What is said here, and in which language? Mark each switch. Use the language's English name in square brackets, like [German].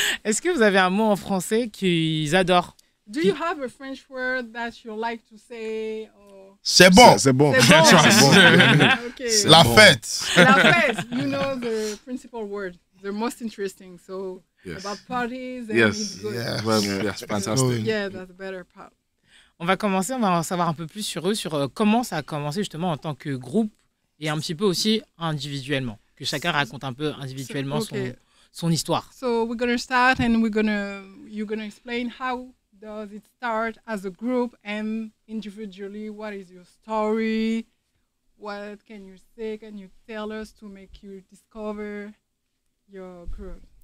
[French] Est-ce que vous avez un mot en français qu'ils adorent? [English] Do you have a French word that you like to say? [French] C'est bon. C'est bon. C'est bon. C'est bon. [English] Okay. [French] La fête. [English] You know the principal word, the most interesting. So yes. About parties. And yes. Yeah. Well, yes. Fantastic. Yeah, that's a better part. [French] On va commencer. On va en savoir un peu plus sur eux, sur comment ça a commencé justement en tant que groupe et un petit peu aussi individuellement. Que chacun raconte un peu individuellement son histoire. [English] So we're gonna start and you're gonna explain how. Does it start as a group and individually? What is your story? What can you say? Can you tell us to make you discover your group?